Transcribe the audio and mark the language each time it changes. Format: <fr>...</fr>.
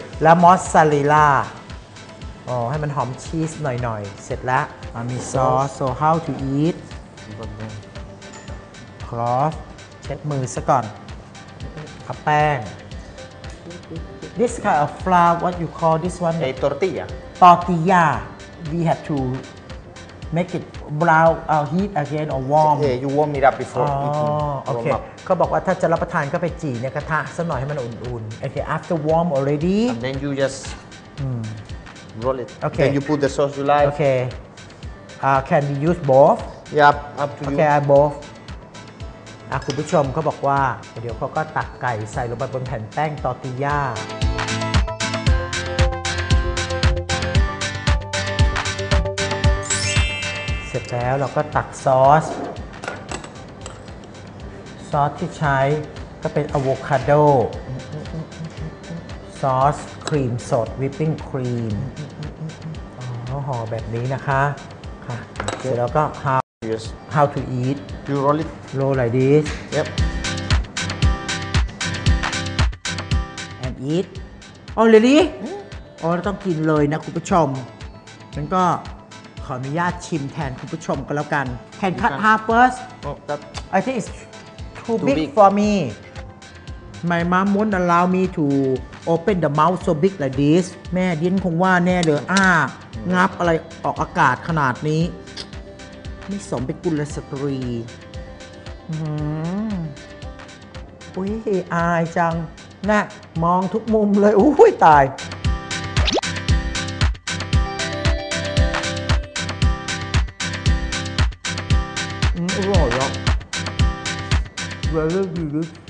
<th>และมอสซาเรลล่าอ๋อให้มันหอมชีสหน่อยๆเสร็จแล้วมีซอส</th> <en>so how to eat? Cloth.</en> <th>เช็ดมือซะก่อนทาแป้ง</th> <en>This kind of flour, what you call this one? A tortilla. Tortilla. We have to make it brown or heat again or warm. Yeah, you warm it up before eating. Okay.</en> <th>เขาบอกว่าถ้าจะรับประทานก็ไปจี่ในกระทะสักหน่อยให้มันอุ่นๆ</th> <en>Okay, after warm already. And then you just roll it. Okay. Then you put the sauce you like. Okay. Can we use both? Yeah, up to you. Okay, I both.</en> <th>คุณผู้ชมเขาบอกว่าเดี๋ยวเขาก็ตักไก่ใส่ลงไปบนแผ่นแป้งตอร์ติญาเสร็จแล้วเราก็ตักซอสซอสที่ใช้ก็เป็นอะโวคาโดซอสครีมสดวิปปิ้งครีมห่อแบบนี้นะคะค่ะเสร็จแล้วก็</th> <en>How to eat? You roll it. Roll like this. Yep. And eat. Oh, really?</en> <th>Oh, ต้องกินเลยนะคุณผู้ชมฉันก็ขออนุญาตชิมแทนคุณผู้ชมก็แล้วกัน</th> <en>Can cut half first? Oh, I think it's too big for me. My mom won't allow me to open the mouth so big like this.</en> <th>แม่ดิ้นคงว่าแน่เลยงับอะไรออกอากาศขนาดนี้ไม่สมเป็นกุลสตรีอุ้ยอายจังนะมองทุกมุมเลยอุ้ยตายอร่อยเหรอเวลาดีดี</th>